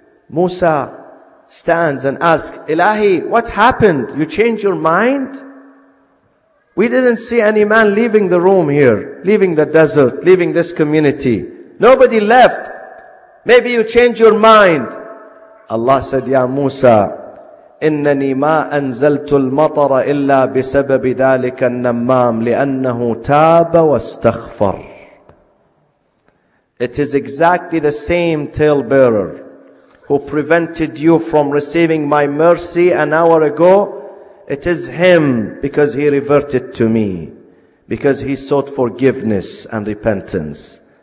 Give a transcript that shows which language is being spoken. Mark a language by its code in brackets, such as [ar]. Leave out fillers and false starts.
[en] Musa stands and asks, Ilahi, what happened? You changed your mind? We didn't see any man leaving the room here, leaving the desert, leaving this community. Nobody left. Maybe you changed your mind. Allah said, [ar] Ya Musa, إنني ما أنزلت المطر إلا بسبب ذلك النمام لأنه تاب واستغفر. [en] It is exactly the same tale bearer who prevented you from receiving my mercy an hour ago. It is him because he reverted to me, because he sought forgiveness and repentance.